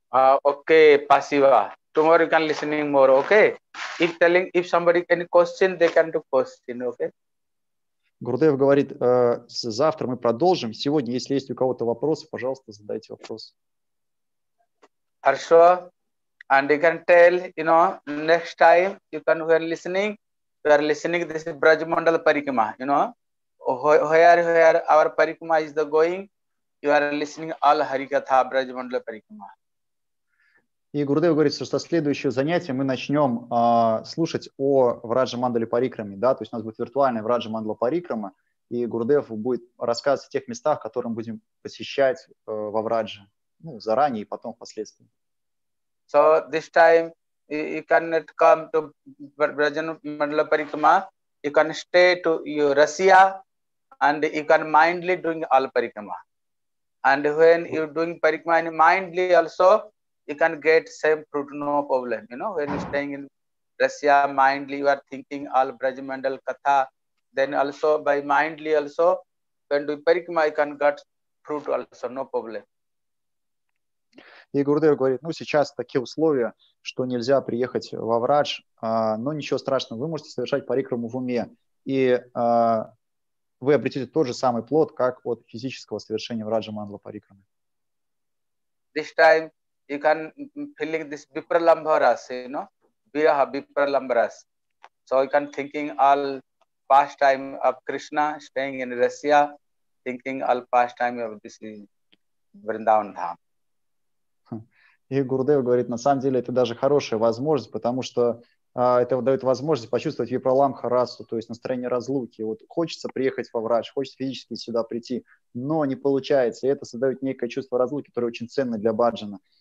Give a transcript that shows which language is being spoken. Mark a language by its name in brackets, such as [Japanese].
[Russian] Окей, спасибо. [English] Tomorrow you can listening more, окей? Okay? if telling if somebody can question, they can do question, okay? [Russian] Гурдев говорит, завтра мы продолжим. Сегодня, если есть у кого-то вопросы, пожалуйста, задайте вопрос. Хорошо. [English] And you can tell, you know, next time you can were listening. We are listening this is Brajmandal Parikrama, you know. Where our Parikrama is the going, you are listening all Harikatha Brajmandal Parikrama. [Russian] И Гурдев говорит, что следующее занятие мы начнем слушать о Враджа-мандале Парикраме. Да? То есть у нас будет виртуальная Враджа-мандала Парикрама, и Гурдев будет рассказывать о тех местах, которые мы будем посещать во Врадже, ну, заранее и потом впоследствии. [English] So this time you cannot come to Враджа-мандала Парикрама. You can stay to Russia and you can mindly doing all Парикрама. And when you doing Парикрама and mindly also, you can get same fruit, no problem. You know, when you're staying in Russia, mindly you are thinking all Brajmandal Katha. Then also by mindly also, when do Parikrama, you can get fruit also, no problem. [Russian] И Гурдев говорит, ну сейчас такие условия, что нельзя приехать во Врадж, но ничего страшного, вы можете совершать Парикраму в уме. И вы обретете тот же самый плод, как от физического совершения Враджа-мандала Парикрамы. [English] This time, you can feel this vipralambharas, you know, viraha vipralambharas. So you can thinking all past time of Krishna staying in Russia, thinking all past time of this Vrindavan Dham. [Russian] И Гурдев говорит, на самом деле это даже хорошая возможность, потому что это дает возможность почувствовать випраламхарасу, то есть настроение разлуки. Вот хочется приехать во Врадж, хочется физически сюда прийти, но не получается. И это создает некое чувство разлуки, которое очень ценно для баджана.